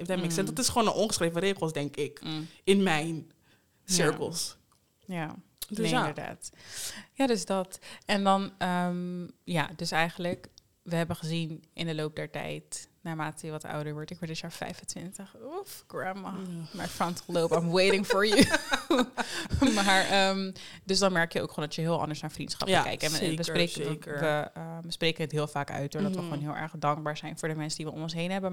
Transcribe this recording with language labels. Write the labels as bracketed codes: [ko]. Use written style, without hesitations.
[en] If that makes sense. [nl] Dat is gewoon een ongeschreven regels, denk ik. Mm. In mijn circles. Ja. Dus nee, inderdaad. Ja, dus dat. En dan, dus eigenlijk, we hebben gezien in de loop der tijd, naarmate je wat ouder wordt. Ik word dit jaar 25. [en] Oef, grandma. [nl] Mijn [en] frontal lobe, I'm waiting for you. [nl] Maar, dus dan merk je ook gewoon dat je heel anders naar vriendschappen kijkt. We spreken het heel vaak uit, doordat we gewoon heel erg dankbaar zijn voor de mensen die we om ons heen hebben.